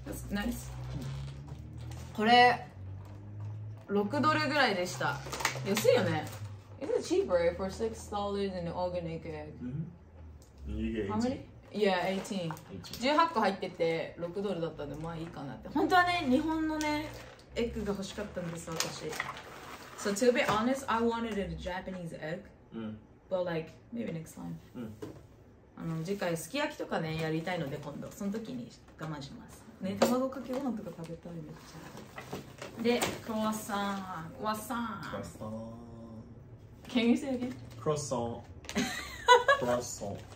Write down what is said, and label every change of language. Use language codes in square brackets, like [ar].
[ja] ナイス、これ6ドルぐらいでした、安いよね。 [en] Is it cheaper for $6 in organic egg? How many? Yeah, [ja] 18 18個入ってて6ドルだったんで、まあいいかなって。本当はね、日本のねエッグが欲しかったんです、私。 [en] So to be honest, I wanted a Japanese egg、 [ja] うん、 [en] But like, maybe next time、 [ja] うん、あの次回すき焼きとかねやりたいので、今度その時に我慢しますね、卵かけご飯とか食べたい、めっちゃ。で、クロワッサン、ワッサン、クロッサン、 [en] Can you say again? [ja] クロッサン、クロッサン、